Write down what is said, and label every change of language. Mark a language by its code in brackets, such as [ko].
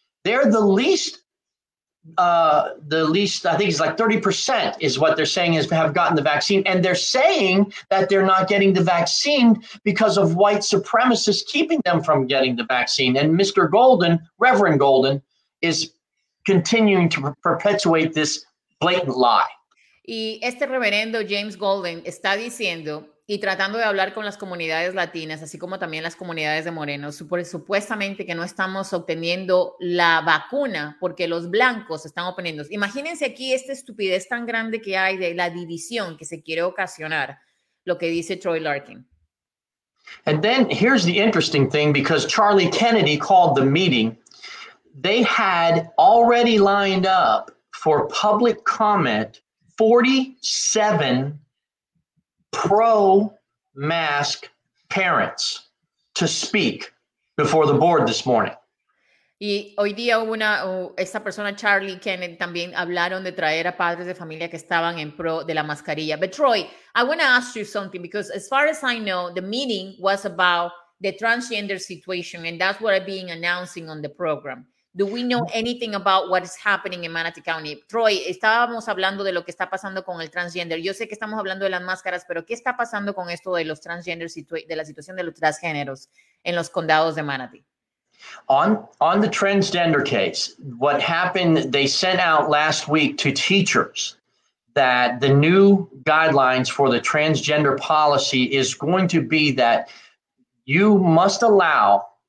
[en] They're the least, I think it's like 30% is what they're saying have gotten the vaccine. And they're saying that they're not getting the vaccine because of white supremacists keeping them from getting the vaccine. And Mr. Golden, Reverend Golden, is continuing to perpetuate this blatant lie. [es] Y este reverendo James Golden está diciendo y tratando de hablar con las comunidades latinas, así como también las comunidades de morenos, supuestamente que no estamos obteniendo la vacuna porque los blancos están oponiendo. Imagínense aquí esta estupidez tan grande que hay de la división que se quiere ocasionar, lo que dice Troy Larkin. [en] And then here's the interesting thing, because Charlie Kennedy called the meeting. They had already lined up for public comment 47 pro-mask parents to speak before the board this morning. [es] Y hoy día hubo una, esta persona, Charlie Kennedy, también hablaron de traer a padres de familia que estaban en pro de la mascarilla. [en] But Troy, I want to ask you something, because as far as I know, the meeting was about the transgender situation, and that's what I've been announcing on the program. Do we know anything about what is happening in Manatee County? [es] Troy, estábamos hablando de lo que está pasando con el transgender. Yo sé que estamos hablando de las máscaras, pero ¿qué está pasando con esto de los transgender, de la situación de los transgéneros en los condados de Manatee? [en] On the transgender case, what happened, they sent out last week to teachers that the new guidelines for the transgender policy is going to be that you must allow